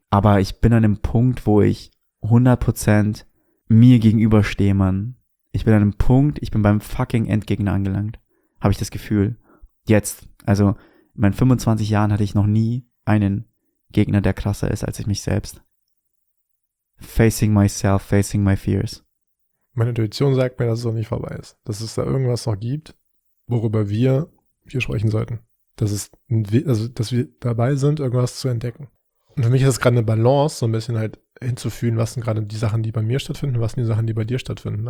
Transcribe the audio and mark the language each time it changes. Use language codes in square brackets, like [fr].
[de] Aber ich bin an dem Punkt, wo ich 100% mir gegenüberstehe, Mann. Ich bin an dem Punkt, ich bin beim fucking Endgegner angelangt. Habe ich das Gefühl. Jetzt. Also in meinen 25 Jahren hatte ich noch nie einen Gegner, der krasser ist als ich mich selbst. [en] Facing myself, facing my fears. [de] Meine Intuition sagt mir, dass es noch nicht vorbei ist. Dass es da irgendwas noch gibt, worüber wir hier sprechen sollten. Dass wir dabei sind, irgendwas zu entdecken. Und für mich ist es gerade eine Balance, so ein bisschen halt hinzufühlen, was sind gerade die Sachen, die bei mir stattfinden, was sind die Sachen, die bei dir stattfinden.